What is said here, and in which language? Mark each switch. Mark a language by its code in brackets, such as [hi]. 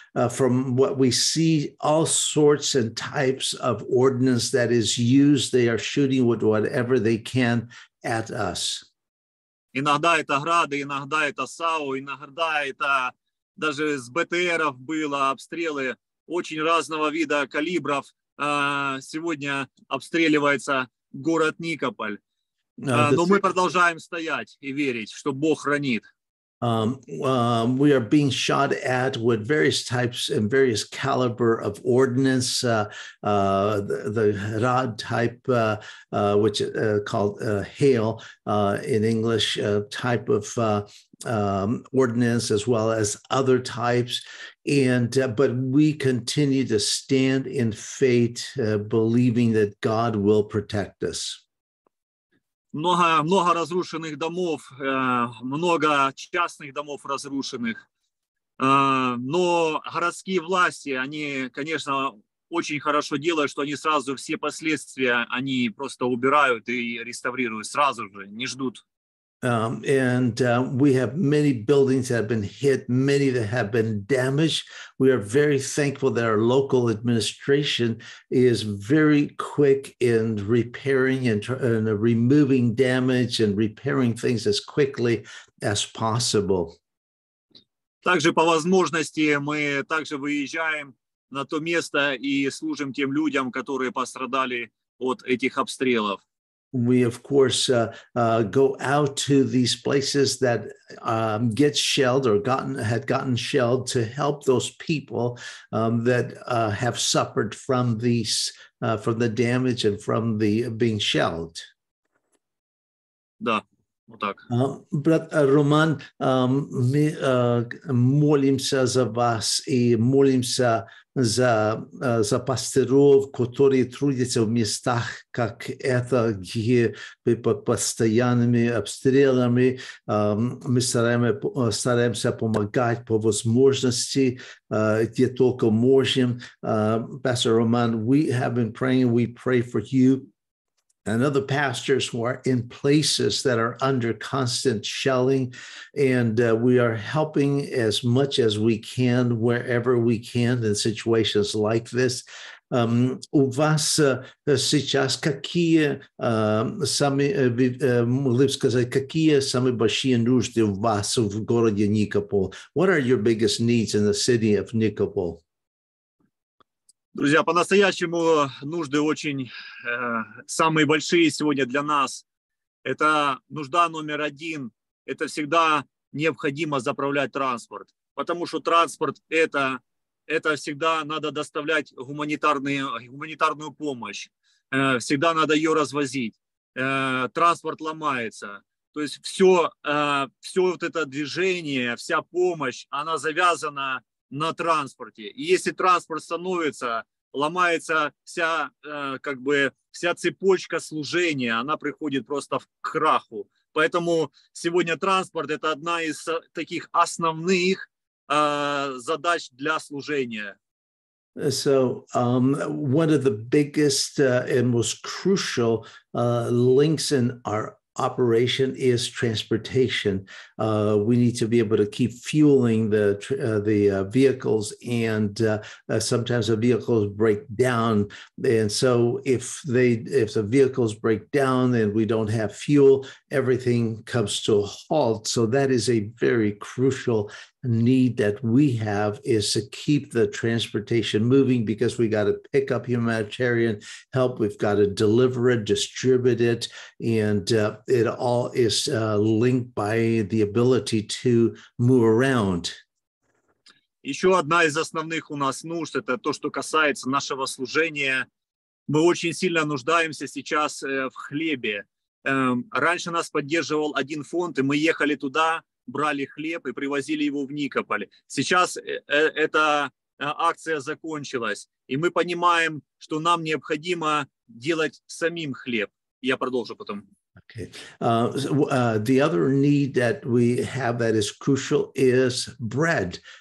[en] From what we see, all sorts and types of ordnance that is used, they are shooting with whatever they can at us. [ru] Иногда это грады, иногда это САУ, иногда это даже с БТРов было обстрелы очень разного вида калибров. Сегодня обстреливается город Никополь. Но мы продолжаем стоять и верить, что Бог хранит. [en] We are being shot at with various types and various caliber of ordnance, the rod type, which called hail in English, type of ordnance, as well as other types. But we continue to stand in faith, believing that God will protect us. [ru] Много разрушенных домов, много частных домов разрушенных. Но городские власти, они, конечно, очень хорошо делают, что они сразу все последствия, они просто убирают и реставрируют сразу же, не ждут. [en] We have many buildings that have been hit, many that have been damaged. We are very thankful that our local administration is very quick in repairing and removing damage and repairing things as quickly as possible. [ru] Также по возможности мы также выезжаем на то место и служим тем людям, которые пострадали от этих обстрелов. [en] We, of course, go out to these places that get shelled or had gotten shelled to help those people that have suffered from these, from the damage and from the being shelled. [ru] Да. Вот так. Брат Роман, мы молимся за вас и молимся за пастыров, которые трудятся в местах, как это, где мы под постоянными обстрелами. Мы стараемся помогать по возможности, где только можем. [en] Пастор Роман, we have been praying, we pray for you. And other pastors who are in places that are under constant shelling, and we are helping as much as we can wherever we can in situations like this. [ru] У вас сейчас какие самые, могли бы сказать, какие самые большие нужды у вас в городе Никополь? [en] What are your biggest needs in the city of Никополь? [ru] Друзья, по-настоящему нужды очень самые большие сегодня для нас. Это нужда номер один. Это всегда необходимо заправлять транспорт. Потому что транспорт это всегда надо доставлять гуманитарную помощь. Всегда надо ее развозить. Транспорт ломается. То есть все вот это движение, вся помощь, она завязана на транспорте. И если транспорт становится, ломается вся, как бы, вся цепочка служения, она приходит просто к краху. Поэтому сегодня транспорт – это одна из таких основных задач для служения. [en] So one of the biggest and most crucial links in our operation is transportation. We need to be able to keep fueling the vehicles, and sometimes the vehicles break down. And so if the vehicles break down and we don't have fuel, everything comes to a halt. So that is a very crucial need that we have, is to keep the transportation moving, because we got to pick up humanitarian help, we've got to deliver it, distribute it, and it all is linked by the ability to move around. [ru] Еще одна из основных у нас нужд — это то, что касается нашего служения. Мы очень сильно нуждаемся сейчас в хлебе. Раньше нас поддерживал один фонд, и мы ехали туда, брали хлеб и привозили его в Никополь. Сейчас эта акция закончилась, и мы понимаем, что нам необходимо делать самим хлеб. Я продолжу потом. [en] Okay. The other need that we have that is crucial is bread.